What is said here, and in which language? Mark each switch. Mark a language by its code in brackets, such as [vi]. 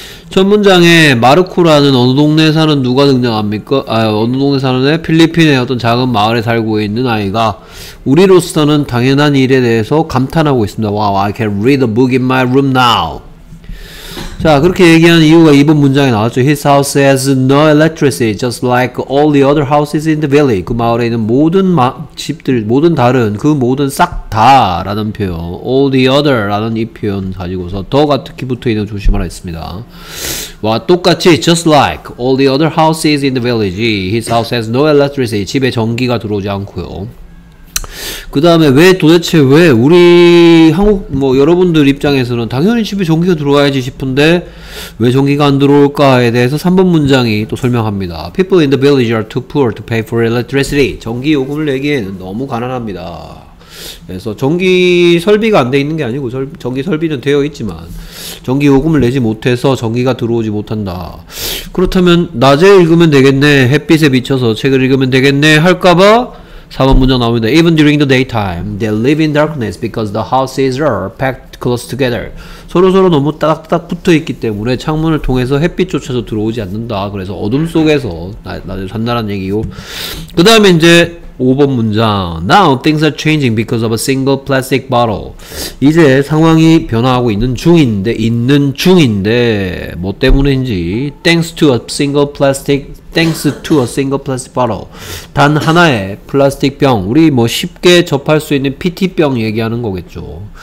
[ko] 첫 문장에 마르코라는 어느 동네에 사는 누가 등장합니까? 아, 어느 동네에 사는 애? 필리핀의 어떤 작은 마을에 살고 있는 아이가 우리로서는 당연한 일에 대해서 감탄하고 있습니다. [en] Wow, I can read a book in my room now. [ko] 자, 그렇게 얘기하는 이유가 이번 문장에 나왔죠. [en] His house has no electricity, just like all the other houses in the valley. [ko] 그 마을에 있는 모든 집들, 모든 다른, 그 모든 싹 다 라는 표현, [en] all the other [ko] 라는 이 표현 가지고서 더가 특히 붙어있는 조심하라 했습니다. 와, 똑같이 [en] just like all the other houses in the village. His house has no electricity. [ko] 집에 전기가 들어오지 않고요. 그 다음에 왜 도대체 왜 우리 한국 뭐 여러분들 입장에서는 당연히 집에 전기가 들어와야지 싶은데 왜 전기가 안 들어올까에 대해서 3번 문장이 또 설명합니다. [en] People in the village are too poor to pay for electricity. [ko] 전기 요금을 내기에는 너무 가난합니다. 그래서 전기 설비가 안 돼 있는 게 아니고 전기 설비는 되어 있지만 전기 요금을 내지 못해서 전기가 들어오지 못한다. 그렇다면 낮에 읽으면 되겠네, 햇빛에 비춰서 책을 읽으면 되겠네 할까봐 4번 문장 나옵니다. [en] Even during the daytime, they live in darkness because the houses are packed close together. [ko] 서로서로 너무 딱딱 붙어있기 때문에 창문을 통해서 햇빛조차도 들어오지 않는다. 그래서 어둠 속에서 나도 산다란 얘기고. 그 다음에 이제 5번 문장. [en] Now things are changing because of a single plastic bottle. [ko] 이제 상황이 변화하고 있는 중인데 뭐 때문인지. [en] Thanks to a single plastic bottle. [ko] 단 하나의 플라스틱 병. 우리 뭐 쉽게 접할 수 있는 PT병 얘기하는 거겠죠.